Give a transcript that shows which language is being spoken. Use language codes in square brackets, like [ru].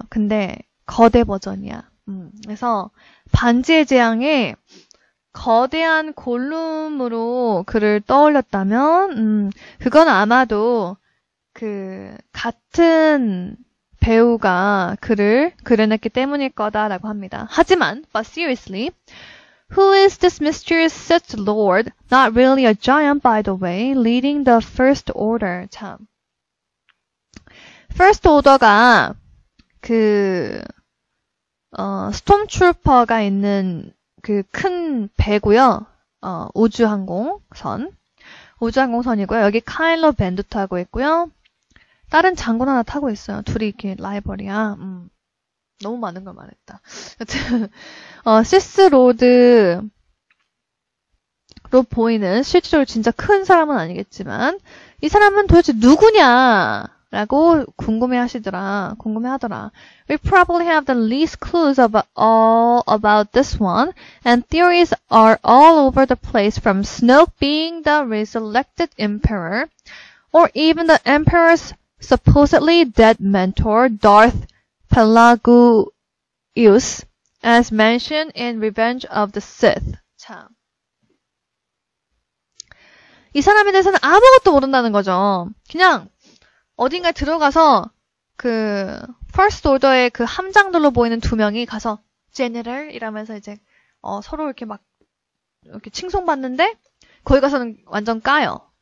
[ko] 근데 거대 버전이야. 그래서 반지의 제왕의 거대한 골룸으로 그를 떠올렸다면, 그건 아마도 같은 배우가 그를 그려냈기 때문일 거다라고 합니다. [en] 하지만, but seriously, who is this mysterious Sith Lord, not really a giant by the way, leading the First Order? [ko] 참. First Order가 스톰트루퍼가 있는 그큰 배고요. 우주항공선이고요. 여기 카일로 벤도 타고 있고요. 다른 장군 하나 타고 있어요. 둘이 이렇게 라이벌이야. 너무 많은 걸 말했다. 여튼 시스 로드로 보이는 실제로 진짜 큰 사람은 아니겠지만 이 사람은 도대체 누구냐? 라고 궁금해하시더라. 궁금해하더라. [en] We probably have the least clues about this one, and theories are all over the place from Snoke being the resurrected emperor, or even the emperor's supposedly dead mentor, Darth Pelagius, as mentioned in Revenge of the Sith. [ko] 참. 이 사람에 대해서는 아무것도 모른다는 거죠. 그냥 어딘가 들어가서 퍼스트 오더의 그 함장들로 보이는 두 명이 가서 제네럴 이러면서 이제 서로 이렇게 막 이렇게 칭송받는데 거기 가서는 완전 까요.